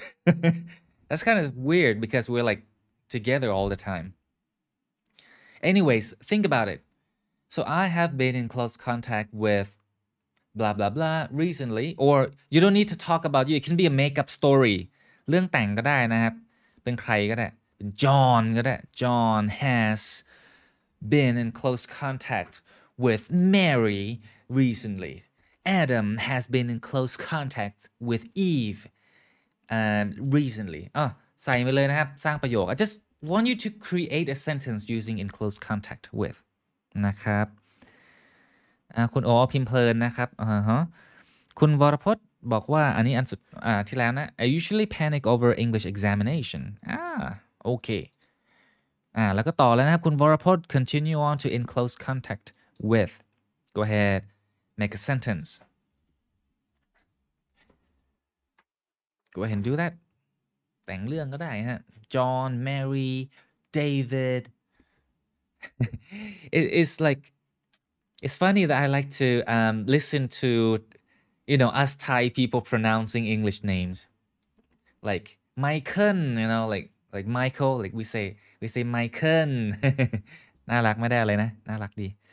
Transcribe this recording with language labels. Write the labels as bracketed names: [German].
[English] That's kind of weird because we're like together all the time. Anyways, think about it. So I have been in close contact with blah, blah, blah recently, or you don't need to talk about you. It can be a makeup story. [Thai] เรื่องแต่งก็ได้นะครับ เป็นใครก็ได้ เป็น John ก็ได้ [English] John has... been in close contact with Mary recently. Adam has been in close contact with Eve recently. [Thai] ใส่ไปเลยนะครับสร้างประโยค [English] I just want you to create a sentence using in close contact with. [Thai] นะครับคุณโอพิมพ์เพลินนะครับคุณวรพจน์บอกว่าอันนี้อันสุดที่แล้วนะ [English] I usually panic over English examination. Okay. [Thai] แล้วก็ต่อแล้วนะครับคุณวรพจน์ [English] continue on to in close contact with go ahead make a sentence go ahead and do that [Thai] แต่งเรื่องก็ได้ฮะ [English] John Mary David it's like it's funny that I like to listen to you know us Thai people pronouncing English names like Michael you know like Michael like we say Michael [Thai] น่ารักไม่ได้อะไรนะน่ารักดี